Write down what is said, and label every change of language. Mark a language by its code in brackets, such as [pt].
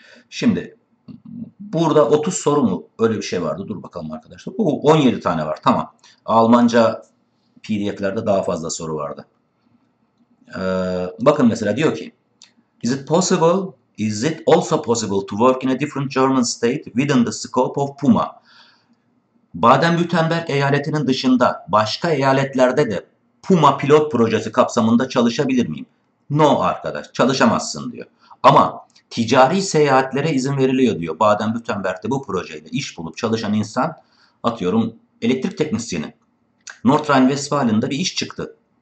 [tr] Şimdi burada 30 soru mu? Öyle bir şey vardı. Dur bakalım arkadaşlar. Bu 17 tane var. Tamam. Almanca PDF'lerde daha fazla soru vardı. Bakın mesela diyor ki, [en] Is it possible? Is it also possible to work in a different German state within the scope of Puma? [tr] Baden-Württemberg eyaletinin dışında başka eyaletlerde de Puma pilot projesi kapsamında çalışabilir miyim? No arkadaş, çalışamazsın diyor. Ama ticari seyahatlere izin veriliyor diyor. Baden-Württemberg'de bu projeyle iş bulup çalışan insan, atıyorum elektrik teknisyeni, Nordrhein-Westfalen'de bir iş çıktı.